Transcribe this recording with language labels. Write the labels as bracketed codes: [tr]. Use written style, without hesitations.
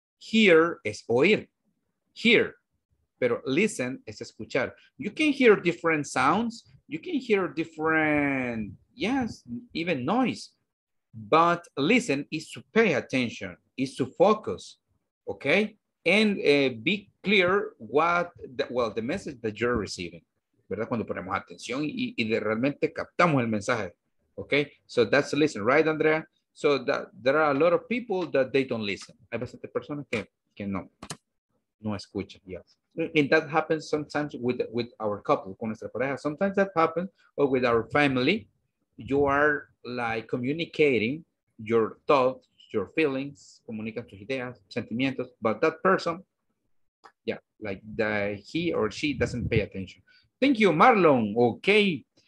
[es] Hear es oír, hear, pero listen es escuchar. [en] You can hear different sounds, you can hear different, yes, even noise, but listen is to pay attention, is to focus, okay? And be clear what, the message that you're receiving. [es] ¿Verdad? Cuando ponemos atención y de realmente captamos el mensaje. [en] Okay, so that's listen, right, Andrea? So that there are a lot of people that they don't listen. [es] Hay bastantes personas que no. no escucha. [en] Yes. And that happens sometimes with our couple, [es] con nuestra pareja. [en] Sometimes that happens, or with our family. You are like communicating your thoughts, your feelings, [es] comunican tus ideas, sentimientos, [en] but that person, yeah, like the, he or she doesn't pay attention. Thank you, Marlon. Okay.